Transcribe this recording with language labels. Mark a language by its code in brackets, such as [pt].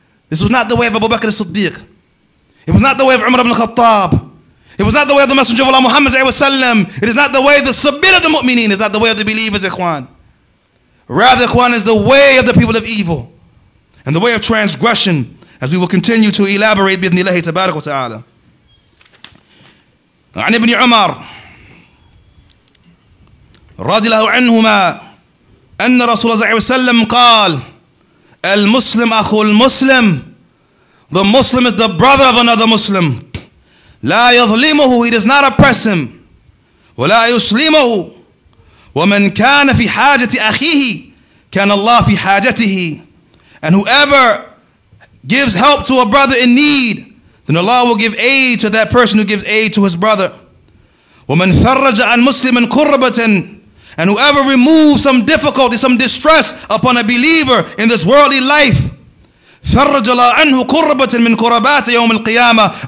[en] This was not the way of Abu Bakr as-Siddiq. It was not the way of Umar ibn al-Khattab. It was not the way of the Messenger of Allah Muhammad sallallahu alayhi wa sallam. It is not the way of the Sabir of the Mu'mineen. It is not the way of the believers, Ikhwan. Rather, Ikhwan, is the way of the people of evil and the way of transgression, as we will continue to elaborate bi idhnillahi tabarak wa ta'ala. [ar] عن ابن عمر رضي الله عنهما أن رسول الله صلى الله عليه وسلم قال المسلم أخو المسلم. [en] The Muslim is the brother of another Muslim. [ar] لا يظلمه, [en] he does not oppress him. [ar] ولا يسلمه, ومن كان في حاجة أخيه كان الله في حاجته. [en] And whoever gives help to a brother in need, then Allah will give aid to that person who gives aid to his brother. [ar] وَمَنْ فَرَّجَ عَنْ مُسْلِمٍ كُرَّبَةٍ. [en] And whoever removes some difficulty, some distress upon a believer in this worldly life, [ar] فَرَّجَ اللَّهُ عَنْهُ كُرَّبَةٍ مِنْ كُرَّبَاتِ يَوْمِ الْقِيَامَةِ.